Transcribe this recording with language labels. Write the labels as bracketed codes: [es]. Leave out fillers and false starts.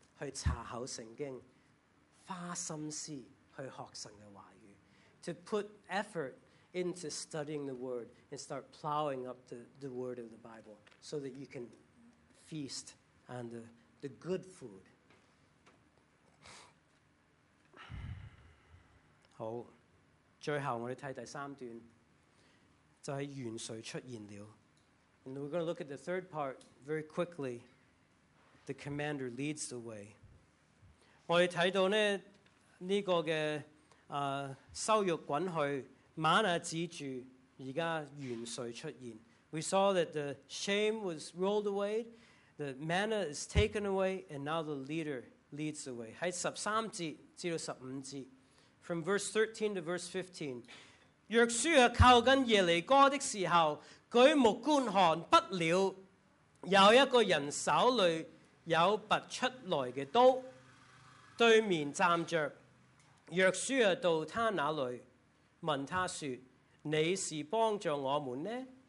[yue] 去查考聖經，花心思去學神嘅話語 [en] ，to put effort into studying the Word and start plowing up the Word of the Bible, so that you can feast on the good food. [yue] 好，最後我哋睇第三段，就係元帥出現了。 [en] And we're going to look at the third part very quickly. The commander leads the way. [yue] 我哋睇到咧呢、这个嘅收辱滚去，玛拿止住，而家元帥出現。 [en] We saw that the shame was rolled away, the manna is taken away, and now the leader leads the way. [yue] 喺十三節至到十五節 [en] ，from verse 13 to verse 15。 [yue] 約書亞靠近耶利哥的時候，舉目觀看，不料有一個人手裏有拔出來嘅刀。对面站着，约书亚到他那里，问他说：你是帮助我们呢？